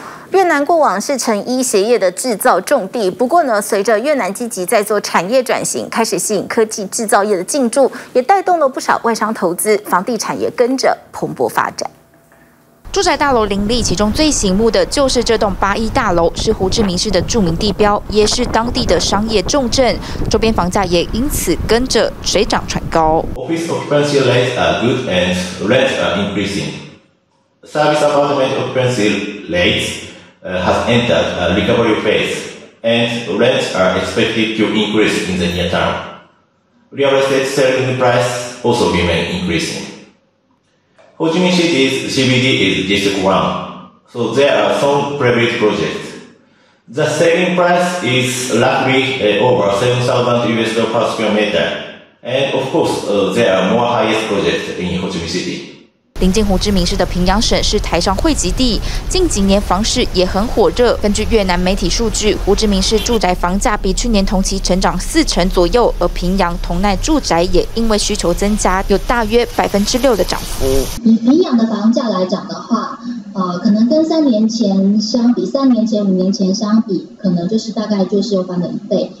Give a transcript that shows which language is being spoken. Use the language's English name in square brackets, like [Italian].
[Chinese] 越南过往是成衣鞋业的制造重地，不过呢，随着越南积极在做产业转型，开始吸引科技制造业的进驻，也带动了不少外商投资，房地产也跟着蓬勃发展。住宅大楼林立，其中最醒目的就是这栋81大楼，是胡志明市的著名地标，也是当地的商业重镇，周边房价也因此跟着水涨船高。 [English] Office occupancy rates are good and rents are increasing. Service apartment occupancy rates. Has entered a recovery phase, and rents are expected to increase in the near term. Real estate selling price also remain increasing. Ho Chi Minh City's CBD is District 1, so there are some private projects. The selling price is roughly over $7,000 per square meter, and of course, there are more highest projects in Ho Chi Minh City. [Chinese] 临近胡志明市的平阳省是台商汇集地，近几年房市也很火热。根据越南媒体数据，胡志明市住宅房价比去年同期成长40%左右，而平阳同奈住宅也因为需求增加，有大约6%的涨幅。以平阳的房价来讲的话，可能跟三年前、五年前相比，可能就是大概就是有翻了一倍。